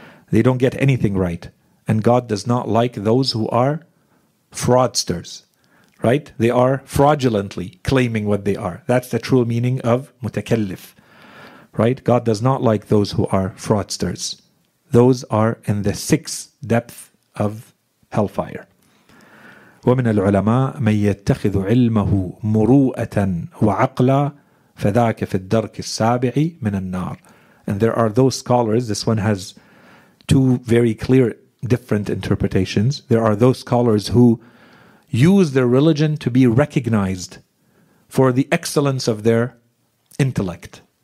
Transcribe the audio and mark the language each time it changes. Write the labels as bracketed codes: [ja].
[en] They don't get anything right. And God does not like those who are fraudsters, right? They are fraudulently claiming what they are. That's the true meaning of mutakallif, right? God does not like those who are fraudsters. Those are in the sixth depth of hellfire. [ar] ومن العلماء من يتخذ علمه مروءة وعقلا فذاك في الدرك السابع من النار. [en] And there are those scholars, this one has two very clear different interpretations. There are those scholars who use their religion to be recognized for the excellence of their intellect.